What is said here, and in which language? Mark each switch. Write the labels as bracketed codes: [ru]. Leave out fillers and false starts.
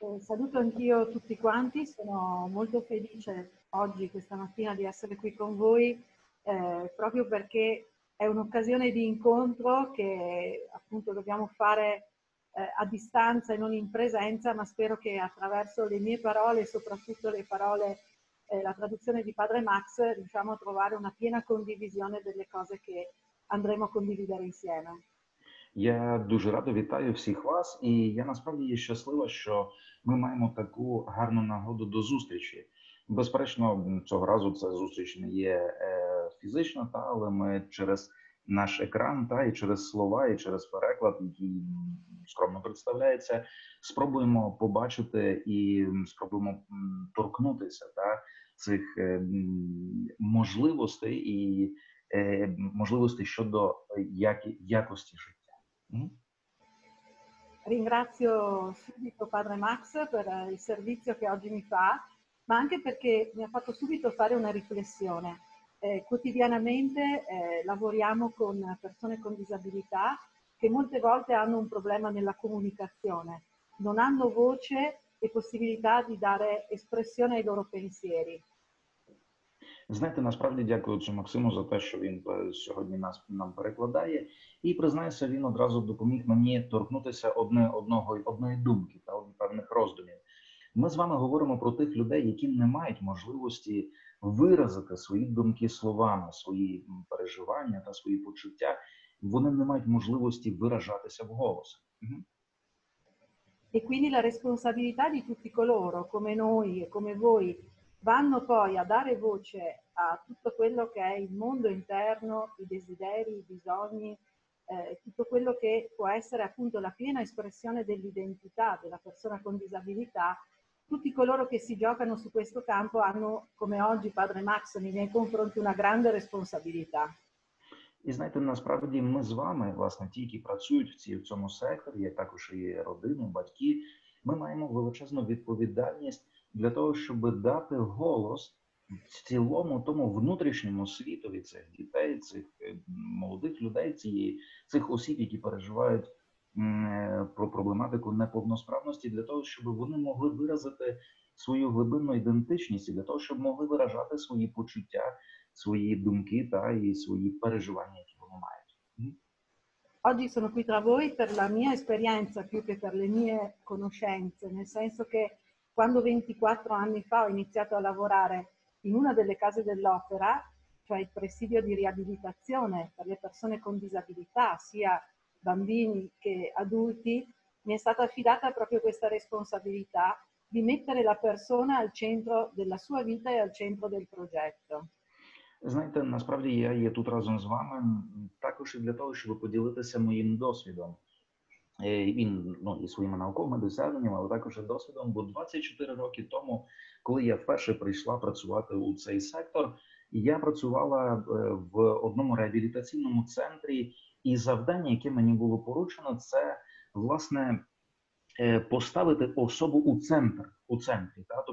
[it] Saluto anch'io tutti quanti, sono molto felice oggi, questa mattina, di essere qui con voi, proprio perché è un'occasione di incontro che appunto dobbiamo fare a distanza e non in presenza, ma spero che attraverso le mie parole, soprattutto le parole, la traduzione di Padre Max, riusciamo a trovare una piena condivisione delle cose che andremo a condividere insieme. [uk] Я дуже радо вітаю всіх вас, і я насправді є щаслива, що ми маємо таку гарну нагоду до зустрічі. Безперечно, цього разу ця зустріч не є фізична, та, але ми через наш екран, та, і через слова, і через переклад, який скромно представляється, спробуємо побачити і спробуємо торкнутися, та, цих можливостей і можливостей щодо якості життя. [it] Ringrazio subito Padre Max per il servizio che oggi mi fa, ma anche perché mi ha fatto subito fare una riflessione. Quotidianamente lavoriamo con persone con disabilità che molte volte hanno un problema nella comunicazione, non hanno voce e possibilità di dare espressione ai loro pensieri. [uk] Знаєте, насправді дякую Максиму за те, що він сьогодні нас нам перекладає. І признаюся, він одразу допоміг мені торкнутися одної думки та певних роздумів. Ми з вами говоримо про тих людей, які не мають можливості виразити свої думки словами, свої переживання та свої почуття. Вони не мають можливості виражатися в голос. [it] І quindi la responsabilità di tutti coloro, come noi e come voi, vanno poi a dare voce a tutto quello che è il mondo interno, i desideri, i bisogni, tutto quello che può essere appunto la piena espressione dell'identità della persona con disabilità. Tutti coloro che si giocano su questo campo hanno, come oggi Padre Max, nei miei confronti una grande responsabilità. [uk] І знаєте, насправді ми з вами, власне, ті, які працюють в цьому секторі, як також і родини, батьки, ми маємо величезну відповідальність для того, щоб дати голос цілому тому внутрішньому світові цих дітей, цих молодих людей, цих осіб, які переживають про проблематику неповносправності, для того, щоб вони могли виразити свою глибинну ідентичність, для того, щоб могли виражати свої почуття, свої думки та і свої переживання, які вони мають. [it] Oggi sono qui tra voi per la mia esperienza più che per le mie conoscenze, nel senso che quando 24 anni fa ho iniziato a lavorare in una delle case dell'opera, cioè il presidio di riabilitazione per le persone con disabilità, sia bambini che adulti, mi è stata affidata proprio questa responsabilità di mettere la persona al centro della sua vita e al centro del progetto. [uk] Знаєте, насправді я є тут разом з вами також і для того, щоб поділитися моїм досвідом. Він, ну, і своїми науковими досягненнями, але також і досвідом, бо 24 роки тому, коли я вперше прийшла працювати у цей сектор, я працювала в одному реабілітаційному центрі, і завдання, яке мені було поручено, це, власне, поставити особу у центр, у центрі, та?